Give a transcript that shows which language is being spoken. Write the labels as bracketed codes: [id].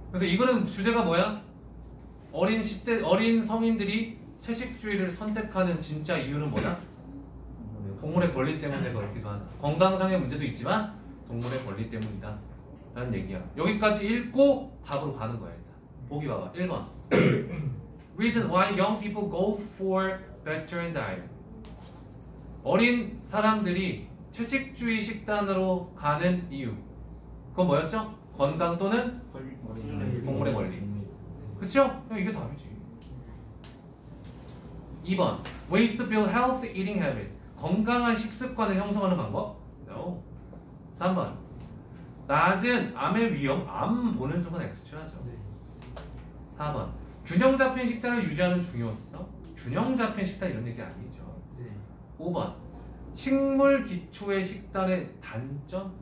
[ko] 그래서 이거는 주제가 뭐야? 어린 10대, 어린 성인들이 채식주의를 선택하는 진짜 이유는 뭐야? 동물의 권리 때문에 그렇기도 하다. 건강상의 문제도 있지만 동물의 권리 때문이다 라는 얘기야. 여기까지 읽고 답으로 가는 거야. 일단 보기 봐봐. [en] 1번 Reason why young people go for vegetarian diet. [ko] 어린 사람들이 채식주의 식단으로 가는 이유. 그건 뭐였죠? 건강 또는 동물의 권리. 그렇죠? 이게 답이지. [en] 2번 Ways to build healthy eating habits. [ko] 건강한 식습관을 형성하는 방법. No. 3번 낮은 암의 위험. 암 보는 순간 X 쳐야죠. 4번 균형 잡힌 식단을 유지하는 중요성. 균형 잡힌 식단 이런 얘기 아니죠. 네. 5번 식물 기초의 식단의 단점.